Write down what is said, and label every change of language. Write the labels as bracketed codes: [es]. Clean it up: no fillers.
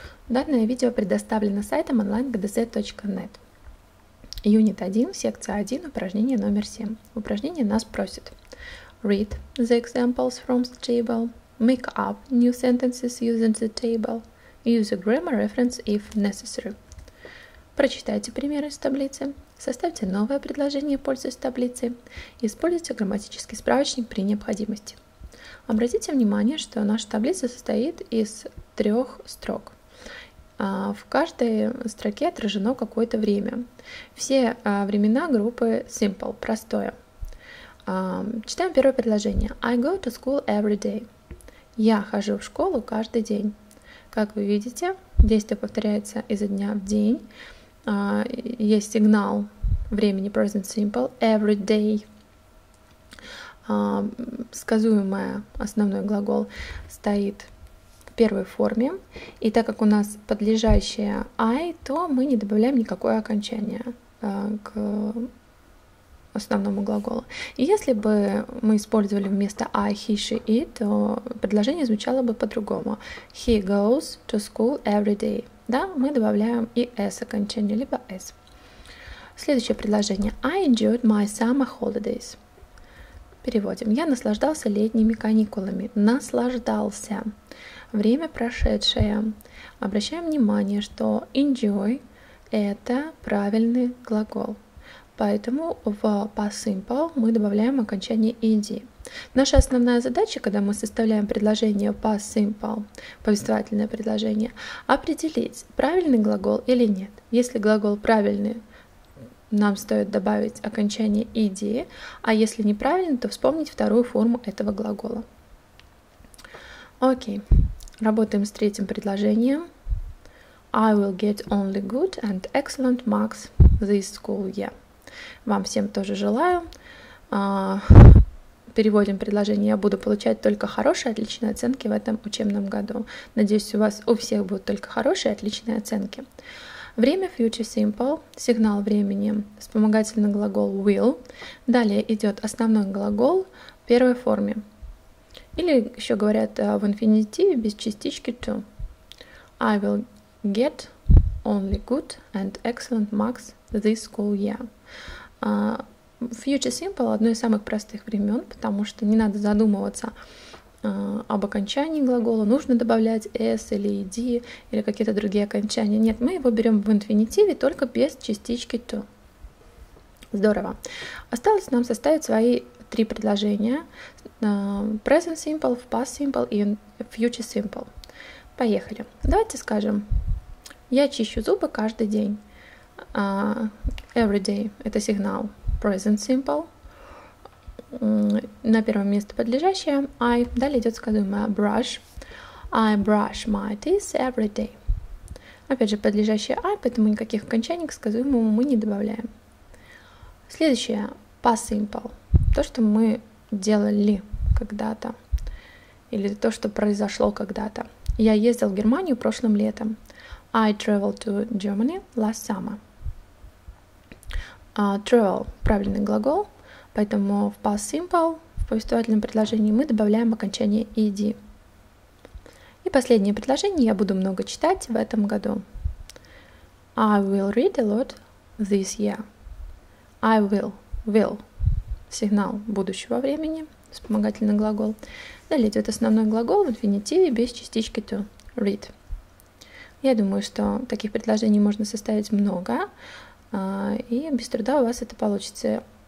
[ru] Данное видео предоставлено сайтом online-gdz.net. Юнит 1, секция 1, упражнение номер 7. Упражнение нас просит [en] read the examples from the table, make up new sentences using the table, use a grammar reference if necessary. [ru] Прочитайте примеры из таблицы, составьте новое предложение, пользуясь таблицей, используйте грамматический справочник при необходимости. Обратите внимание, что наша таблица состоит из трех строк. В каждой строке отражено какое-то время. Все времена группы simple, простое. Читаем первое предложение. [en] I go to school every day. [ru] Я хожу в школу каждый день. Как вы видите, действие повторяется изо дня в день. Есть сигнал времени [en] present simple every day. [ru] Сказуемое, основной глагол, стоит в первой форме, и так как у нас подлежащее I, то мы не добавляем никакое окончание к основному глаголу. И если бы мы использовали вместо I, he, she, it, то предложение звучало бы по-другому. [en] He goes to school every day. [ru] Да, мы добавляем и S окончание, либо S. Следующее предложение. [en] I enjoyed my summer holidays. [ru] Переводим. Я наслаждался летними каникулами. Наслаждался. Время прошедшее. Обращаем внимание, что enjoy – это правильный глагол. Поэтому в past simple мы добавляем окончание ed. Наша основная задача, когда мы составляем предложение past simple, повествовательное предложение, определить, правильный глагол или нет. Если глагол правильный, нам стоит добавить окончание ed, а если неправильно, то вспомнить вторую форму этого глагола. Окей. Работаем с третьим предложением. [en] I will get only good and excellent marks this school year. [ru] Вам всем тоже желаю. Переводим предложение. Я буду получать только хорошие отличные оценки в этом учебном году. Надеюсь, у вас у всех будут только хорошие отличные оценки. Время future simple. Сигнал времени. Вспомогательный глагол will. Далее идет основной глагол в первой форме. Или еще говорят в инфинитиве без частички to. [en] I will get only good and excellent marks this school year. [ru] Future simple – одно из самых простых времен, потому что не надо задумываться об окончании глагола, нужно добавлять s или ed или какие-то другие окончания. Нет, мы его берем в инфинитиве только без частички to. Здорово. Осталось нам составить свои три предложения – present simple, past simple и future simple. Поехали. Давайте скажем, я чищу зубы каждый день. [en] Every day. [ru] Это сигнал. [en] Present simple. [ru] На первом месте подлежащее. [en] I. [ru] Далее идет сказуемое brush. [en] I brush my teeth every day. [ru] Опять же, подлежащее I, поэтому никаких окончаний к сказуемому мы не добавляем. Следующее. Past simple. То, что мы делали когда-то, или то, что произошло когда-то. Я ездил в Германию прошлым летом. [en] I traveled to Germany last summer. [ru] Travel – правильный глагол, поэтому в past simple, в повествовательном предложении, мы добавляем окончание ed. И последнее предложение. Я буду много читать в этом году. [en] I will read a lot this year. I will. Will. [ru] Сигнал будущего времени. Вспомогательный глагол. Далее идет основной глагол в инфинитиве без частички to – read. Я думаю, что таких предложений можно составить много, и без труда у вас это получится.